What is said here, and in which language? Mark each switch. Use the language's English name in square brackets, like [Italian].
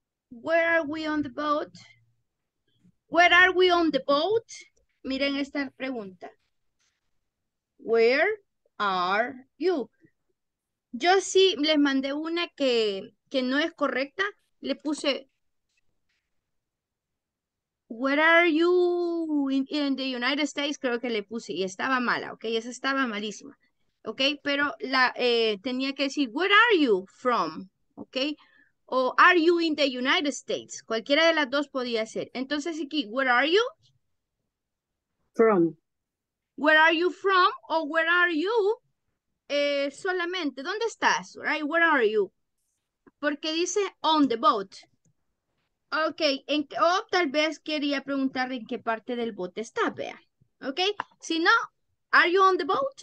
[English] Where are we on the boat? Where are we on the boat? [Spanish] Miren esta pregunta. [English] Where are you? [Spanish] Yo sí les mandé una que no es correcta. Le puse, [English] where are you in the United States? [Spanish] Creo que le puse y estaba mala, ¿ok? Esa estaba malísima, ¿ok? Pero la tenía que decir, [English] where are you from? [Spanish] ¿Ok? O [English] are you in the United States? [Spanish] Cualquiera de las dos podía ser. Entonces aquí, [English] where are you? From. Where are you from? O where are you? [Spanish] Solamente, ¿dónde estás? [English] Right? Where are you? [Spanish] Porque dice [English] on the boat. [Spanish] Ok, tal vez quería preguntarle en qué parte del bote está, vea. [English] Ok, [Spanish] si no, [English] are you on the boat?